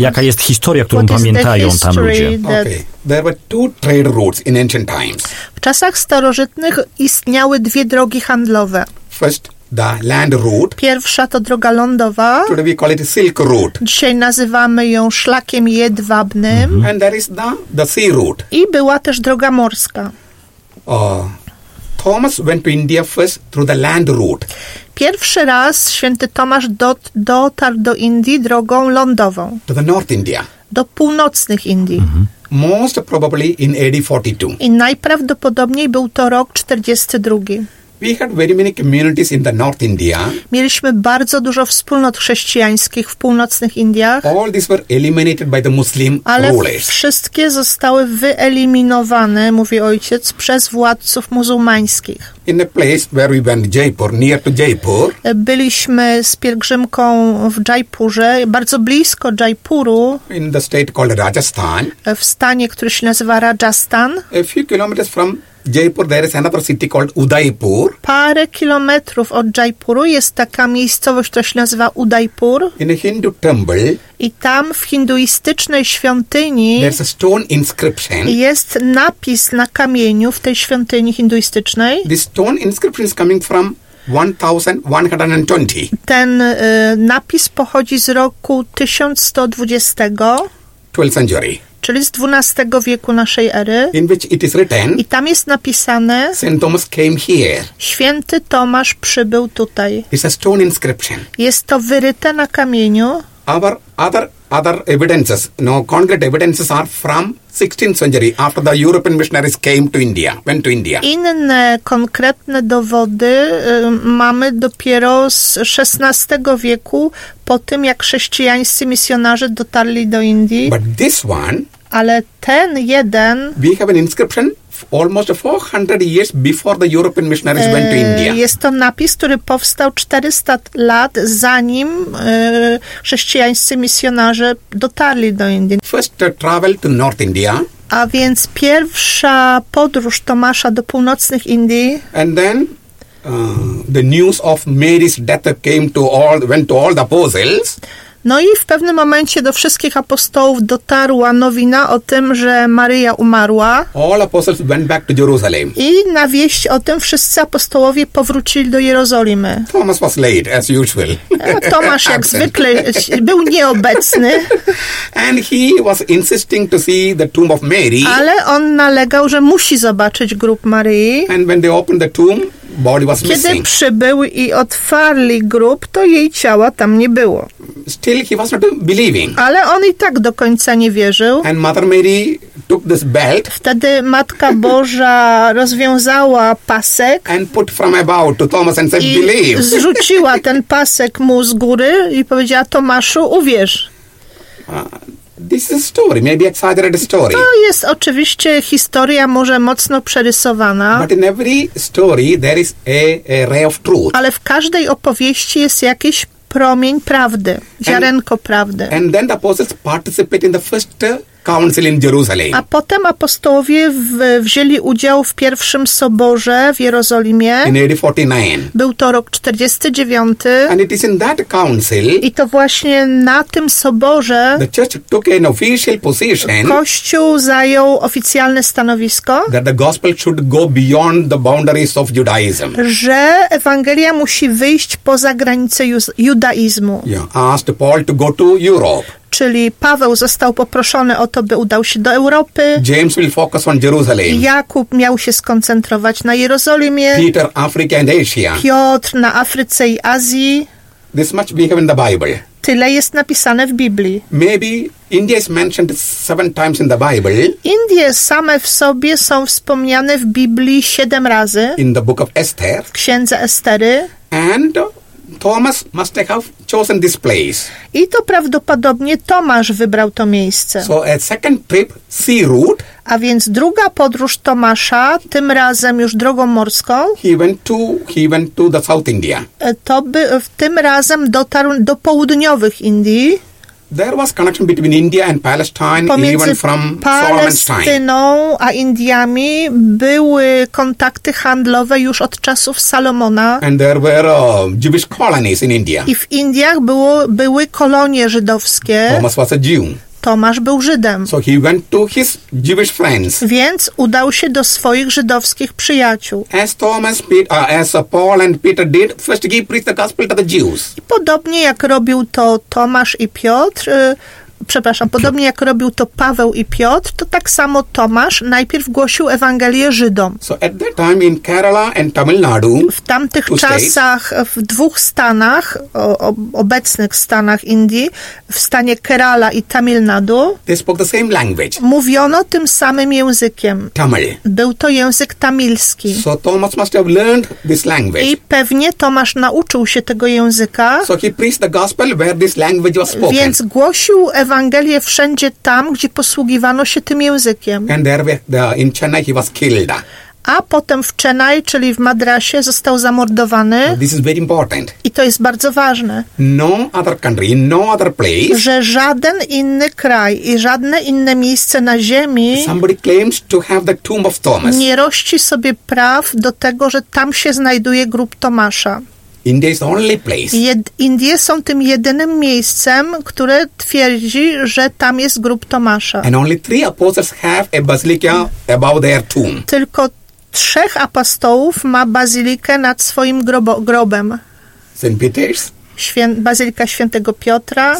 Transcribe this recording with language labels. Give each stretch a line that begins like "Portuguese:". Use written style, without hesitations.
Polish: Jaka jest historia, którą pamiętają tam ludzie?
English: Okay. There were two trade routes in ancient times.
Polish: W czasach starożytnych istniały dwie drogi handlowe.
English: First, the land route.
Polish: Pierwsza to droga lądowa.
English: Today we call it Silk Route.
Polish: Dzisiaj nazywamy ją szlakiem jedwabnym. Mm-hmm.
English: And there is the sea route.
Polish: I była też droga morska.
English: Thomas went to India first through the land route.
Polish: Pierwszy raz święty Tomasz dotarł do Indii drogą lądową.
English: To the North India.
Polish: do północnych Indii.
English: Mm-hmm. Most probably in AD 42.
Polish: I najprawdopodobniej był to rok 42.
English: We had very many communities in the North India.
Polish: Mieliśmy bardzo dużo wspólnot chrześcijańskich w północnych Indiach.
English: All these were eliminated by the Muslim
Polish: ale
English: rulers.
Polish: Wszystkie zostały wyeliminowane, mówi ojciec, przez władców muzułmańskich.
English: In a place where we went, Jaipur, near to Jaipur.
Polish: Byliśmy z pielgrzymką w Jaipurze, bardzo blisko Jaipuru.
English: In the state called Rajasthan.
Polish: W stanie, który się nazywa Rajasthan.
English: A few kilometers from Jaipur, there is another city called Udaipur.
Polish: Parę kilometrów od Jaipuru jest taka miejscowość, która się nazywa Udaipur.
English: In a Hindu temple.
Polish: I tam w hinduistycznej świątyni
English: there's a stone inscription.
Polish: Jest napis na kamieniu w tej świątyni hinduistycznej.
English: This stone inscription is coming from 1120.
Polish: Ten napis pochodzi z roku 1120.
English: 12th century.
Polish: Czyli z XII wieku naszej ery.
English: In which it is written,
Polish: i tam jest napisane
English: Saint Thomas came here.
Polish: Święty Tomasz przybył tutaj.
English: It's a stone inscription.
Polish: Jest to wyryte na kamieniu.
English: Our other evidences, no concrete evidences are from 16th century after the European missionaries came to India, went to India.
Polish: Inne konkretne dowody mamy dopiero z XVI wieku po tym jak chrześcijańscy misjonarze dotarli do Indii.
English: But this one,
Polish: ale ten jeden,
English: we have an inscription almost 400 years before the European missionaries went to India.
Polish: Jest to napis, który powstał 400 lat zanim chrześcijańscy misjonarze dotarli do Indii.
English: First travel to North India.
Polish: A więc pierwsza podróż Tomasza do północnych Indii.
English: And then the news of Mary's death came to all, went to all the apostles.
Polish: No i w pewnym momencie do wszystkich apostołów dotarła nowina o tym, że Maryja umarła.
English: All apostles went back to Jerusalem.
Polish: I na wieść o tym wszyscy apostołowie powrócili do Jerozolimy.
English: Thomas was late, as usual.
Polish: Tomasz jak zwykle był nieobecny.
English: And he was insisting to see the tomb of Mary.
Polish: Ale on nalegał, że musi zobaczyć grób Maryi.
English: And when they opened the tomb, body was
Polish: kiedy
English: missing.
Polish: Przybył i otwarli grób, to jej ciała tam nie było.
English: Still he was not believing.
Polish: Ale on i tak do końca nie wierzył.
English: And Mother Mary took this belt.
Polish: Wtedy Matka Boża rozwiązała pasek
English: and put from above to Thomas and said,
Polish: i
English: believe.
Polish: Zrzuciła ten pasek mu z góry i powiedziała, Tomaszu, uwierz.
English: This is a story, maybe exaggerated story.
Polish: To jest oczywiście historia może mocno przerysowana.
English: But in every story there is a ray of truth.
Polish: Ale w każdej opowieści jest jakiś promień prawdy, ziarenko prawdy.
English: And then the apostles participate in the first council in Jerusalem.
Polish: A potem apostołowie wzięli udział w pierwszym soborze w Jerozolimie.
English: In AD 49.
Polish: Był to rok 49.
English: And it is in that council.
Polish: I to właśnie na tym soborze
English: the church took an official position.
Polish: Kościół zajął oficjalne stanowisko.
English: That the gospel should go beyond the boundaries of Judaism.
Polish: Że Ewangelia musi wyjść poza granice judaizmu.
English: Yeah, asked Paul to go to Europe.
Polish: Czyli Paweł został poproszony o to, by udał się do Europy.
English: James will focus on Jerusalem.
Polish: Jakub miał się skoncentrować na Jerozolimie.
English: Peter, Africa and Asia.
Polish: Piotr na Afryce i Azji.
English: This much we have in the Bible.
Polish: Tyle jest napisane w Biblii.
English: Maybe India is mentioned 7 times in the Bible.
Polish: Indie same w sobie są wspomniane w Biblii 7 razy.
English: In the book of Esther.
Polish: W księdze Estery.
English: And Thomas must have chosen this place.
Polish: I to prawdopodobnie Tomasz wybrał to miejsce.
English: So a second trip, sea route.
Polish: A więc druga podróż Tomasza, tym razem już drogą morską.
English: He went to the South India.
Polish: To by w tym razem dotarł do południowych Indii.
English: There was connection between India and Palestine,
Polish: pomiędzy
English: even from Solomon's time.
Polish: Palestyną a Indiami były kontakty handlowe już od czasów Salomona.
English: And there were Jewish colonies in India.
Polish: I w Indiach były kolonie żydowskie.
English: Thomas was a Jew.
Polish: Tomasz był Żydem.
English: So he went to his Jewish friends.
Polish: Więc udał się do swoich żydowskich przyjaciół.
English: As Paul and Peter did, first he preached the gospel to the Jews.
Polish: I podobnie jak robił to Tomasz i Piotr, przepraszam, podobnie jak robił to Paweł i Piotr, to tak samo Tomasz najpierw głosił Ewangelię Żydom.
English: So at that time in Kerala and Tamil Nadu,
Polish: w tamtych czasach w dwóch stanach, obecnych stanach Indii, w stanie Kerala i Tamil Nadu,
English: they spoke the same language.
Polish: Mówiono tym samym językiem.
English: Tamil.
Polish: Był to język tamilski.
English: So Thomas must have learned this language.
Polish: I pewnie Tomasz nauczył się tego języka.
English: So he preached the gospel where this language was spoken.
Polish: Więc głosił Ewangelię wszędzie tam, gdzie posługiwano się tym językiem.
English: And there, in Chennai he was killed.
Polish: A potem w Chennai, czyli w Madrasie, został zamordowany.
English: This is very important.
Polish: I to jest bardzo ważne.
English: No other country, no other place.
Polish: Że żaden inny kraj i żadne inne miejsce na ziemi
English: somebody claims to have the tomb of Thomas.
Polish: Nie rości sobie praw do tego, że tam się znajduje grób Tomasza.
English: India is the only place.
Polish: Indie są tym jedynym miejscem, które twierdzi, że tam jest grób Tomasza.
English: And only three apostles have a basilica above their tomb.
Polish: Tylko trzech apostołów ma bazylikę nad swoim grobem.
English: St. Peter's.
Polish: Bazylika świętego Piotra.